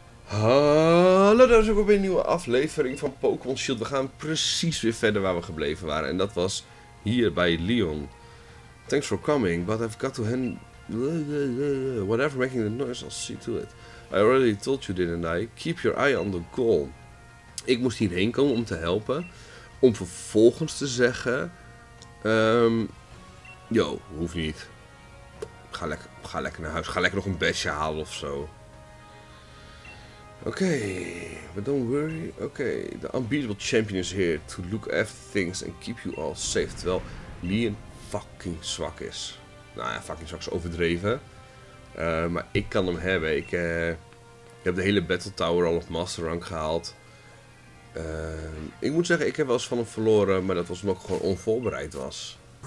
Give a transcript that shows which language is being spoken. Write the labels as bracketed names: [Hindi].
[Dutch] Hallo, daar is ook weer een nieuwe aflevering van Pokémon Shield. We gaan precies weer verder waar we gebleven waren. En dat was hier bij Leon. [English] Thanks for coming, but I've got to hand... Whatever making the noise, I'll see to it. I already told you, didn't I? Keep your eye on the goal. [Dutch] Ik moest hierheen komen om te helpen. Om vervolgens te zeggen... Yo, hoeft niet. Ga lekker naar huis. Ga lekker nog een besje halen of zo. [English] Oké, but don't worry. Oké, the unbeatable champion is here to look after things and keep you all safe. [Dutch] Terwijl Leon fucking zwak is. Nou ja, fucking zwak is overdreven. Maar ik kan hem hebben. Ik heb de hele Battle Tower al op Master Rank gehaald. Ik moet zeggen, ik heb wel eens van hem verloren, maar dat was omdat ik gewoon onvoorbereid was.